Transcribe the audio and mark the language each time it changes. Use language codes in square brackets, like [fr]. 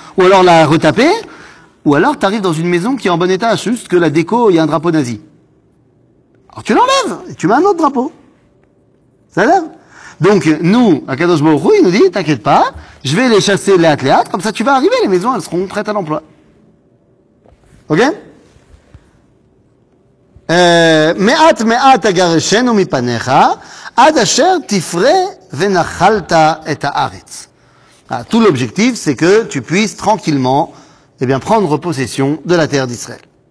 [fr] Ou alors la retaper, ou alors t'arrives dans une maison qui est en bon état, juste que la déco, il y a un drapeau nazi. Alors tu l'enlèves, et tu mets un autre drapeau. Ça a l'air? Donc nous, à Kadosh Baruch Hu, il nous dit, t'inquiète pas, je vais les chasser les athlètes, comme ça tu vas arriver, les maisons, elles seront prêtes à l'emploi. Ok? [he] מעט מעט אגרשנו מפניך עד אשר תפרה ונחלת את הארץ. [fr] Tout l'objectif, c'est que tu puisses tranquillement, eh bien, prendre possession de la terre d'Israël.